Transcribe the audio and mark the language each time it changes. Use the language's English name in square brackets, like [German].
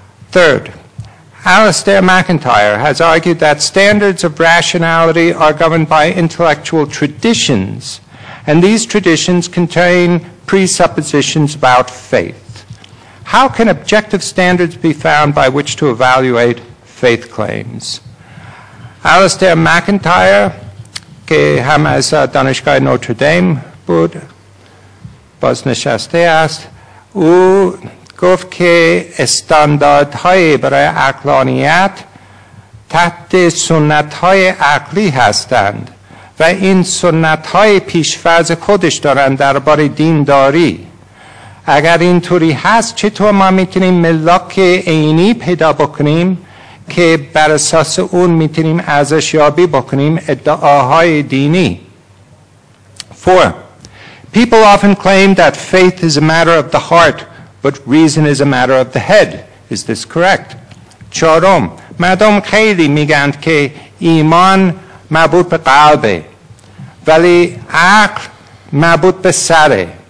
[English] Third, Alistair MacIntyre has argued that standards of rationality are governed by intellectual traditions, and these traditions contain presuppositions about faith. How can objective standards be found by which to evaluate faith claims? [Persian] Alistair MacIntyre, که هم از دانشگاه نوتر دیم بود، باز نشسته است، او گفت که استانداردهای برای عقلانیت تحت سنتهای عقلی هستند، و این سنت های پیشفرض خودش دارن درباره دینداری. اگر اینطوری هست، چطور ما میتونیم ملاک عینی پیدا بکنیم که بر اساس اون میتونیم ارزشیابی بکنیم ادعاهای دینی. 4. [English] People often claim that faith is a matter of the heart, but reason is a matter of the head. Is this correct? 4. [Persian] مردم خیلی میگند که ایمان مربوط به قلبه ولی عقل مربوط به سره.